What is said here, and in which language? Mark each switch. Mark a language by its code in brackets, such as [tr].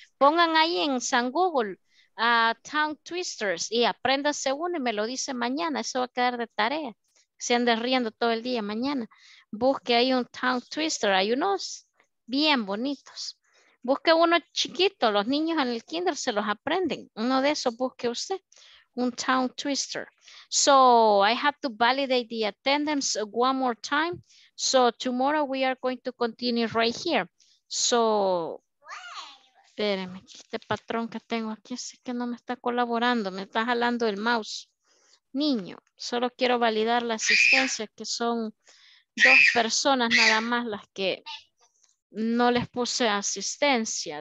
[es] Pongan ahí en San Google tongue twisters y apréndase uno y me lo dice mañana. Eso va a quedar de tarea. Se anden riendo todo el día mañana. Busque ahí un tongue twister. Hay unos bien bonitos. Busque uno chiquito. Los niños en el kinder se los aprenden. Uno de esos busque usted. Un tongue twister. [en] So I have to validate the attendance one more time. So tomorrow we are going to continue right here. [es] So, espérenme, este patrón que tengo aquí es que no me está colaborando, me está jalando el mouse. Niño, solo quiero validar la asistencia, que son dos personas nada más las que no les puse asistencia.